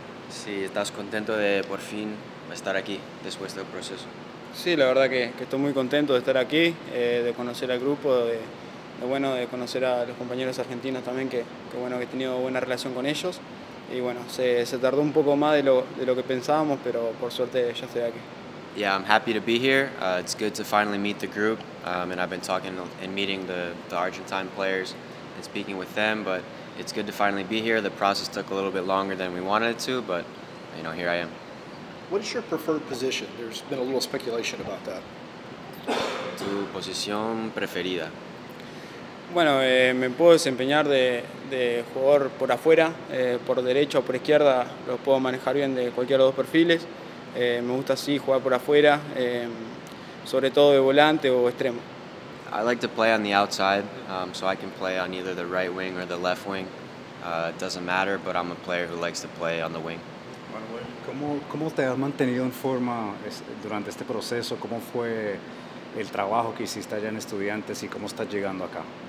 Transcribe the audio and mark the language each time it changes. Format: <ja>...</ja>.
<es>Sí, estás contento de por fin estar aquí después del proceso. Sí, la verdad que estoy muy contento de estar aquí, de conocer al grupo, de conocer a los compañeros argentinos también, que bueno, que he tenido buena relación con ellos. Y bueno, se tardó un poco más de lo que pensábamos, pero por suerte ya estoy aquí.</es> <en>Yeah, I'm happy to be here. It's good to finally meet the group, and I've been talking and meeting the Argentine players and speaking with them, but it's good to finally be here. The process took a little bit longer than we wanted it to, but you know, here I am. What is your preferred position? There's been a little speculation about that.</en> <es>Tu posición preferida. Bueno, me puedo desempeñar de jugador por afuera, por derecha o por izquierda, lo puedo manejar bien de cualquiera de los dos perfiles. Me gusta así jugar por afuera, sobre todo de volante o extremo.</es> <en>I like to play on the outside, so I can play on either the right wing or the left wing. It doesn't matter, but I'm a player who likes to play on the wing.</en> <es>Manuel, ¿cómo te has mantenido en forma durante este proceso? ¿Cómo fue el trabajo que hiciste allá en Estudiantes y cómo estás llegando acá?</es>